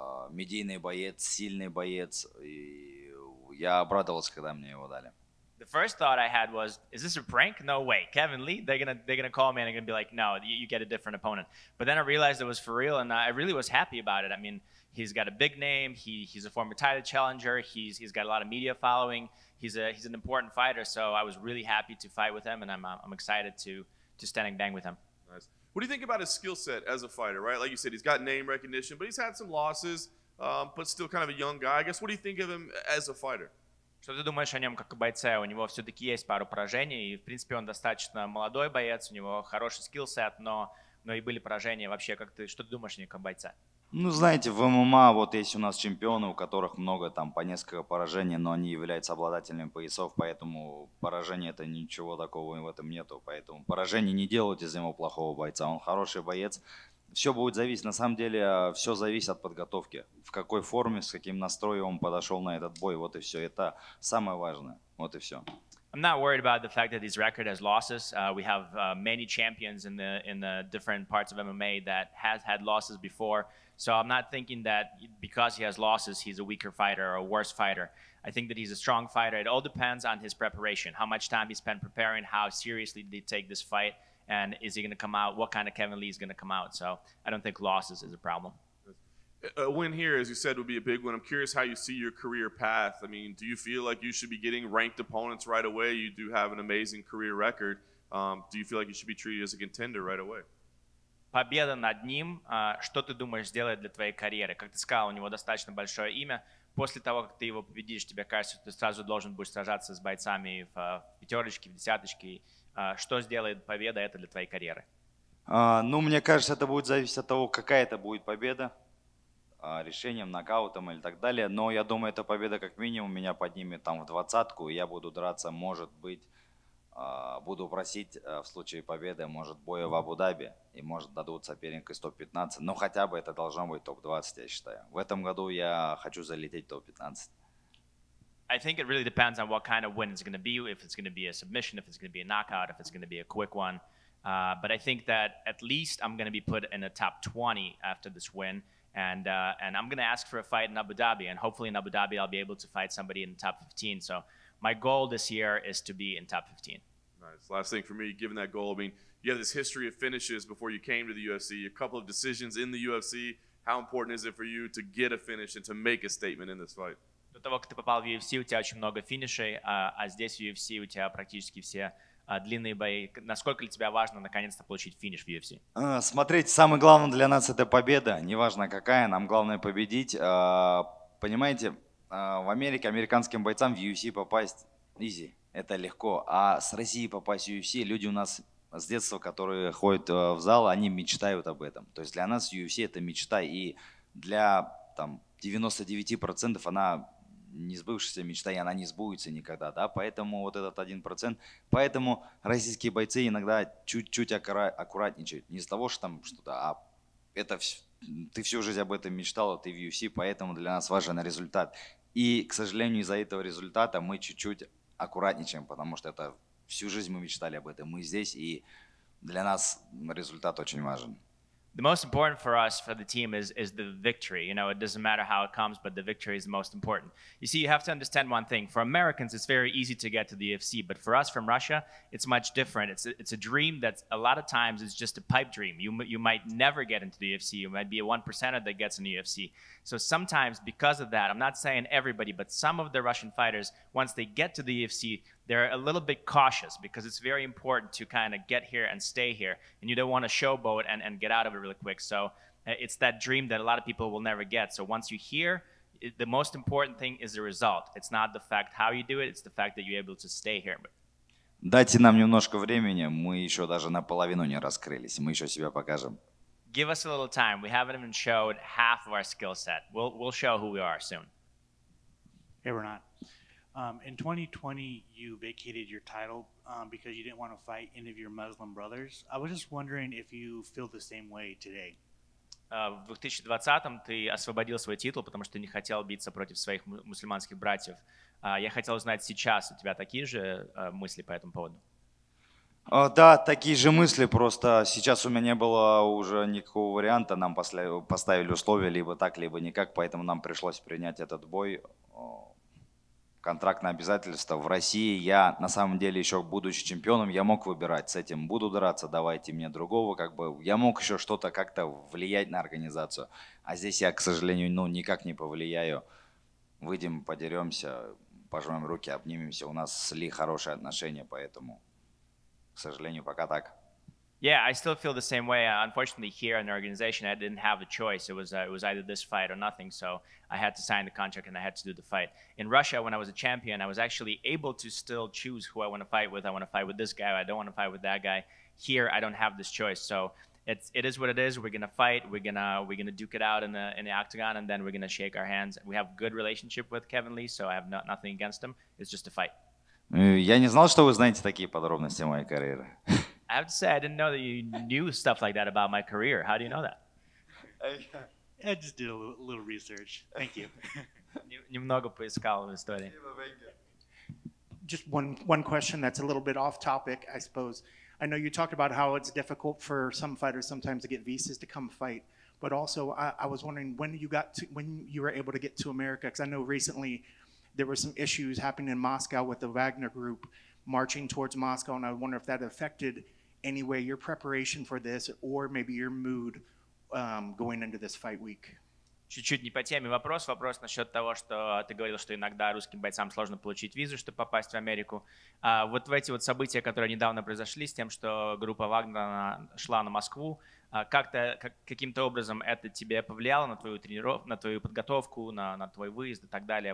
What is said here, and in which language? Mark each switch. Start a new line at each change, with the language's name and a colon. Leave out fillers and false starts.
Russian: медийный боец, сильный боец, и я обрадовался, когда мне его дали.
English: The first thought I had was, is this a prank? No way, Kevin Lee, they're gonna call me and I'm gonna be like, no, you get a different opponent. But then I realized it was for real, and I really was happy about it. I mean, he's got a big name, he's a former title challenger, he's got a lot of media following, he's an important fighter, so I was really happy to fight with him, and I'm excited to stand and bang with him. What do you think about his skill set as a fighter, right? Like you said, he's got name recognition, but he's had some losses, but still kind of a young guy. I guess, what do you think of him as a fighter?
Russian: Что ты думаешь о нем как о бойце? У него все-таки есть пару поражений, и, в принципе, он достаточно молодой боец, у него хороший skill set, но и были поражения. Вообще, как ты, что ты думаешь о нем как бойце? Ну, знаете, в ММА вот есть у нас чемпионы, у которых много, там, по несколько поражений, но они являются обладателями поясов, поэтому поражение — это ничего такого в этом нету, поэтому поражение не делают из него плохого бойца, он хороший боец. Все будет зависеть, на самом деле, все зависит от подготовки, в какой форме, с каким настроем он подошел на этот бой, вот и все, это самое важное, вот и все.
English: I'm not worried about the fact that his record has losses. We have many champions in the different parts of MMA that has had losses before. So I'm not thinking that because he has losses, he's a weaker fighter or a worse fighter. I think that he's a strong fighter. It all depends on his preparation, how much time he spent preparing, how seriously did he take this fight, and is he going to come out, what kind of Kevin Lee is going to come out. So I don't think losses is a problem. A win here, as you said, would be a big one. I'm curious how you see your career path. I mean, do you feel like you should be getting ranked opponents right away? You do have an amazing career record. Do you feel like you should be treated as a contender right away?
Russian: Победа над ним, что ты думаешь сделать для твоей карьеры? Как ты сказал, у него достаточно большое имя. После того, как ты его победишь, тебе кажется, ты сразу должен будешь сражаться с бойцами в пятерочке, в десяточке. Что сделает победа это для твоей карьеры? Ну, мне кажется, это будет зависеть от того, какая это будет победа. Решением, нокаутом или так далее. Но я думаю, эта победа как минимум меня поднимет там в двадцатку, и я буду драться, может быть, буду просить в случае победы, может, боя в Абу-Даби, и может, дадут соперника 115. Но хотя бы это должно быть топ-20, я считаю. В этом году я хочу залететь топ-15.
English: I think it really depends on what kind of win it's going to be, if it's going to be a submission, if it's going to be a knockout, if it's going to be a quick one. But I think that at least I'm going to be put in the top 20 after this win. And I'm going to ask for a fight in Abu Dhabi, and hopefully in Abu Dhabi I'll be able to fight somebody in the top 15. So my goal this year is to be in top 15. Nice. Last thing for me, given that goal, I mean, You have this history of finishes before you came to the UFC, a couple of decisions in the UFC. How important is it for you to get a finish and to make a statement in this fight?
Russian: До того, как ты попал в UFC, у тебя очень много финишей, а здесь в UFC у тебя практически все длинные бои. Насколько для тебя важно наконец-то получить финиш в UFC? Смотрите, самое главное для нас — это победа. Неважно какая, нам главное победить. Понимаете, в Америке американским бойцам в UFC попасть
English: easy,
Russian: это легко. А с России попасть в UFC, люди у нас с детства, которые ходят в зал, они мечтают об этом. То есть для нас UFC — это мечта, и для там 99% она не сбывшаяся мечта, и она не сбудется никогда, да, поэтому вот этот 1%, поэтому российские бойцы иногда чуть-чуть аккуратничают, не из-за того, что там что-то, а это все, ты всю жизнь об этом мечтал, ты в UFC, поэтому для нас важен результат, и, к сожалению, из-за этого результата мы чуть-чуть аккуратничаем, потому что это всю жизнь мы мечтали об этом, мы здесь, и для нас результат очень важен.
English: The most important for us, for the team, is the victory. You know, it doesn't matter how it comes, but the victory is the most important. You see, you have to understand one thing. For Americans, it's very easy to get to the UFC. But for us from Russia, it's much different. It's a dream that a lot of times is just a pipe dream. You might never get into the UFC. You might be a 1%er that gets in the UFC. So sometimes, because of that, I'm not saying everybody, but some of the Russian fighters, once they get to the UFC, they're a little bit cautious because it's very important to kind of get here and stay here. And you don't want to showboat and get out of it really quick. So it's that dream that a lot of people will never get. So once you're here, the most important thing is the result. It's not the fact how you do it. It's the fact that you're able to stay here.
Russian: Дайте нам немножко времени. Мы еще даже наполовину не раскрылись. Мы еще себя покажем.
English: Give us a little time. We haven't even showed half of our skill set. We'll show who we are soon. Hey, Rinat. In 2020, you vacated your title because you didn't want to fight any of your Muslim brothers. I was just wondering if you feel the same way today.
Russian: В 2020-м ты освободил свой титул, потому что не хотел биться против своих мусульманских братьев. Я хотел узнать сейчас, у тебя такие же мысли по этому поводу? Да, такие же мысли, просто сейчас у меня не было уже никакого варианта. Нам поставили условия либо так, либо никак, поэтому нам пришлось принять этот бой. Контрактное обязательство. В России я, на самом деле, еще будучи чемпионом, я мог выбирать, с этим буду драться, давайте мне другого. Как бы я мог еще что-то как-то влиять на организацию. А здесь я, к сожалению, никак не повлияю. Выйдем, подеремся, пожмем руки, обнимемся. У нас с Ли хорошие отношения, поэтому, к сожалению, пока так.
English: Yeah, I still feel the same way. Unfortunately, here in the organization, I didn't have a choice. It was either this fight or nothing. So I had to sign the contract and I had to do the fight. In Russia, when I was a champion, I was actually able to still choose who I want to fight with. I want to fight with this guy. I don't want to fight with that guy. Here, I don't have this choice. So it is what it is. We're gonna fight. We're gonna duke it out in the octagon, and then we're gonna shake our hands. We have good relationship with Kevin Lee, so I have nothing against him. It's just a fight.
Russian: Я не знал, что вы знаете такие подробности моей карьеры.
English: I have to say, I didn't know that you knew stuff like that about my career. How do you know that? I just did a little research. Thank you.
Russian: Немного поискал в истории.
English: Just one question that's a little bit off topic, I suppose. I know you talked about how it's difficult for some fighters sometimes to get visas to come fight, but also I was wondering when you were able to get to America, because I know recently there were some issues happening in Moscow with the Wagner Group marching towards Moscow, and I wonder if that affected any way your preparation for this, or maybe your mood going into this fight week.
Russian: Чуть-чуть не по теме вопрос. Вопрос насчет того, что ты говорил, что иногда русским бойцам сложно получить визу, чтобы попасть в Америку. Вот в эти вот события, которые недавно произошли, с тем, что группа Вагнера шла на Москву, каким-то образом это тебе повлияло на твою тренировку, на твою подготовку, на твой выезд и так далее?